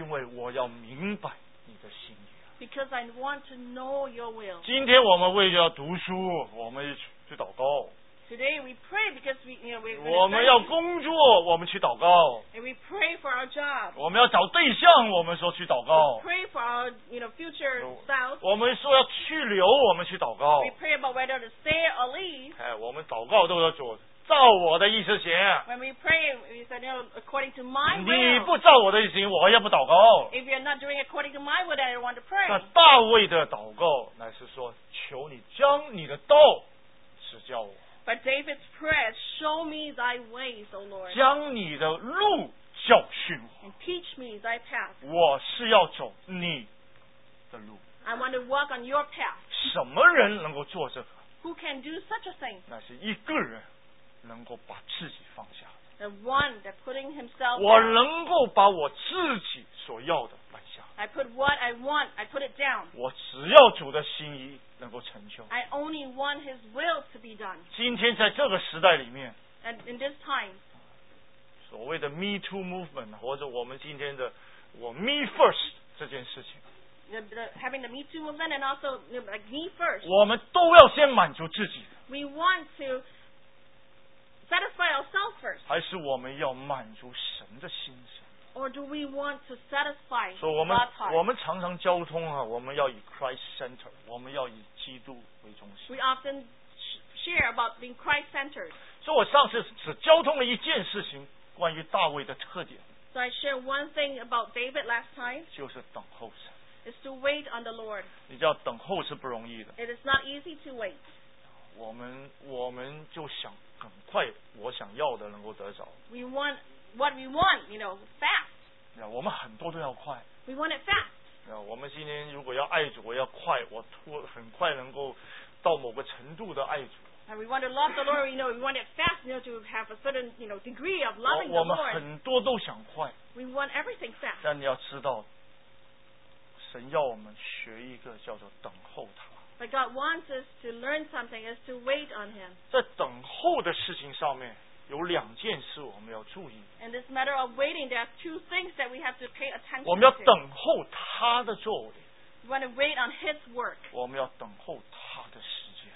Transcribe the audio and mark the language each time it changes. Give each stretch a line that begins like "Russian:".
Chinese: 因为我要明白你的心意。
English: Because I want to know your will.
Chinese: 今天我们为了读书，我们去祷告。
English: Today we pray because we, you know, we.
Chinese: 我们要工作，我们去祷告。
English: And we pray for our job.
Chinese: 我们要找对象，我们说去祷告。
English: We pray for our, you know, future spouse.
Chinese: 我们说要去留，我们去祷告。
English: We pray about whether to stay or leave.
Chinese: 哎，我们祷告都要做，照我的意思行。
English: When we pray, we say, you know, according to my will.
Chinese: 你不照我的意思行，我也不祷告。
English: If you're not doing according to my will, I don't want to pray.
Chinese: 那大卫的祷告乃是说，求你将你的道指教我。
English: But David's prayer, show me thy ways, O Lord.
Chinese: 将你的路教训我。
English: And teach me thy path.
Chinese: 我是要走你的路。
English: I want to walk on your path.
Chinese: 什么人能够做这个？
English: Who can do such a thing?
Chinese: 那是一个人能够把自己放下。
English: The one that putting himself
Chinese: down. 我能够把我自己所要的放下。
English: I put what I want, I put it down.
Chinese: 我只要主的心意。能够成就。
English: I only want His will to be done.
Chinese: 今天在这个时代里面
English: ，and in this time，
Chinese: 所谓的 Me Too movement， 或者我们今天的我 Me First 这件事情
English: ，having the Me Too movement and also like Me First，
Chinese: 我们都要先满足自己。
English: We want to satisfy ourselves first.
Chinese: 还是我们要满足神的心思？
English: Or do we want to satisfy God's heart?
Chinese: 我们常常交通啊，我们要以 Christ centered， 我们要以基督为中心。
English: We often share about being Christ centered.
Chinese: 所以我上次只交通了一件事情，关于大卫的特点。
English: So I share one thing about David last time.
Chinese: 就是等候神。
English: Is to wait on the Lord.
Chinese: 你知道等候是不容易的。
English: It is not easy to wait.
Chinese: 我们就想赶快我想要的能够得着。
English: We want. What we want, you know, fast.
Chinese: Yeah, 我们很多都要快。
English: We want it fast.
Chinese: Yeah, 我们今天如果要爱主，我要快，我很快能够到某个程度的爱主。
English: And we want to love the Lord, you know, we want it fast, you know, to have a certain, you know, degree of loving the Lord.
Chinese: 我们很多都想快。
English: We want everything fast.
Chinese: 但你要知道，神要我们学一个叫做等候他。
English: But God wants us to learn something, is to wait on Him.
Chinese: 在等候的事情上面。有两件事我们要注意。
English: In this matter of waiting, there are two things that we have to pay attention to.
Chinese: 我们要等候他的作为。
English: We want to wait on his work.
Chinese: 我们要等候他的时间。